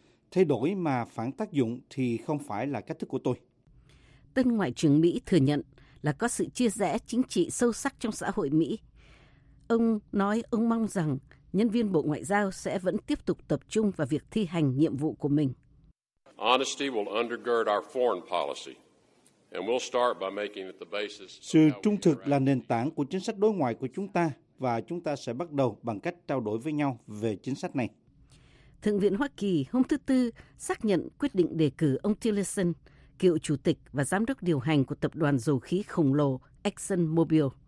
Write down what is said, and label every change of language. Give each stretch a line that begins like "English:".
Vietnamese: Thay đổi mà phản tác dụng thì không phải là cách thức của tôi. Tân Ngoại trưởng Mỹ thừa nhận là có sự chia rẽ chính trị sâu sắc trong xã hội Mỹ. Ông nói ông mong rằng nhân viên Bộ Ngoại giao sẽ vẫn tiếp tục tập trung vào việc thi hành nhiệm vụ của mình.
English: Honesty will undergird our foreign policy. And we'll start by making it the basis.
Vietnamese: Sự trung thực là nền tảng của chính sách đối ngoại của chúng ta, và chúng ta sẽ bắt đầu bằng cách trao đổi với nhau về chính sách này. Thượng viện Hoa Kỳ hôm thứ Tư xác nhận quyết định đề cử ông Tillerson, cựu chủ tịch và giám đốc điều hành của tập đoàn dầu khí khổng lồ ExxonMobil.